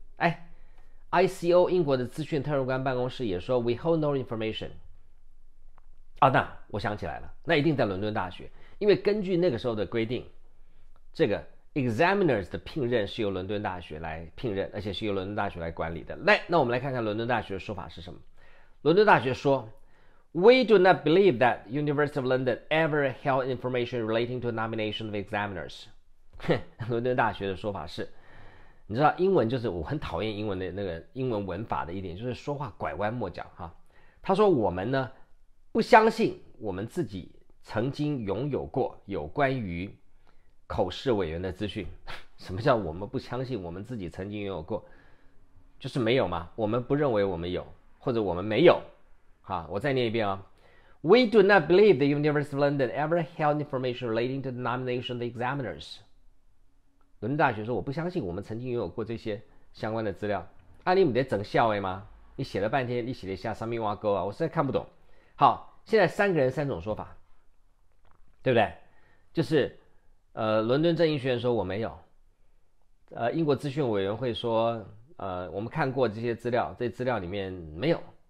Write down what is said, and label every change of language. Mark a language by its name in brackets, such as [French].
[Chinese] 哎， ICO 英国的资讯特任官办公室也说 [English] We hold no information。 [Chinese] 啊，那我想起来了，那一定在伦敦大学，因为根据那个时候的规定，这个 examiners 的聘任是由伦敦大学来聘任，而且是由伦敦大学来管理的。来，那我们来看看伦敦大学的说法是什么。伦敦大学说 [English] We do not believe that University of London ever held information relating to nomination of examiners。 [Chinese] 伦敦大学的说法是，你知道英文就是我很讨厌英文的那个英文文法的一点，就是说话拐弯抹角哈。他说我们呢不相信我们自己曾经拥有过有关于口试委员的资讯。什么叫我们不相信我们自己曾经拥有过？就是没有嘛，我们不认为我们有，或者我们没有。好，我再念一遍啊。 [English] We do not believe the University of London ever held information relating to the nomination of the examiners. [Chinese] 伦敦大学说我不相信我们曾经拥有过这些相关的资料。啊，你不得整笑诶吗？你写了半天，你写了一下上面挖沟啊，我实在看不懂。好，现在三个人三种说法，对不对？就是伦敦政经学院说我没有，英国资讯委员会说我们看过这些资料，这资料里面没有。